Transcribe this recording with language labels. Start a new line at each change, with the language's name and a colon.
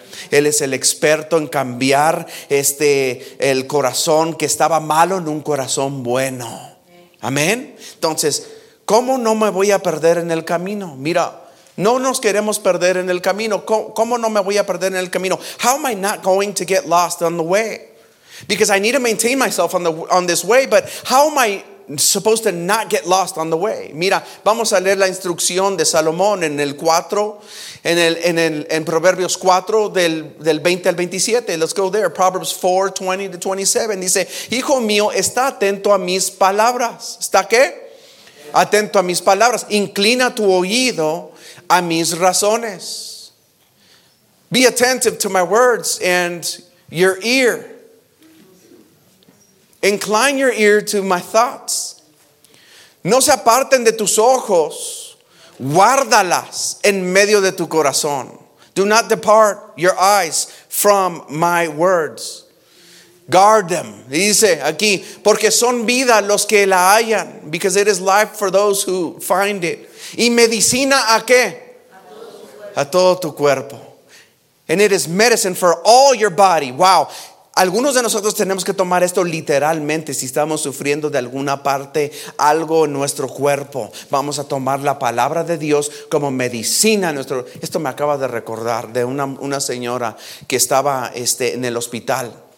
Spanish: Él es el experto en cambiar el corazón que estaba malo en un corazón bueno. Amén. Entonces, ¿cómo no me voy a perder en el camino? Mira, no nos queremos perder en el camino. ¿Cómo no me voy a perder en el camino?
English: How am I not going to get lost on the way? Because I need to maintain myself on this way, but how am I supposed to not get lost on the way?
Spanish: Mira, vamos a leer la instrucción de Salomón en el 4, en Proverbios 4, del 20 al 27.
English: Let's go there. Proverbs 4, 20 to 27.
Spanish: Dice: hijo mío, está atento a mis palabras. ¿Está qué? Atento a mis palabras. Inclina tu oído a mis razones.
English: Be attentive to my words and your ear. Incline your ear to my thoughts.
Spanish: No se aparten de tus ojos. Guárdalas en medio de tu corazón.
English: Do not depart your eyes from my words. Guard them.
Spanish: Dice aquí, porque son vida los que la hallan.
English: Because it is life for those who find it.
Spanish: Y medicina a qué? A todo tu cuerpo.
English: And it is medicine for all your body. Wow.
Spanish: Algunos de nosotros tenemos que tomar esto literalmente. Si estamos sufriendo de alguna parte, algo en nuestro cuerpo, vamos a tomar la palabra de Dios como medicina. Nuestro. Esto me acaba de recordar de una señora que estaba en el hospital.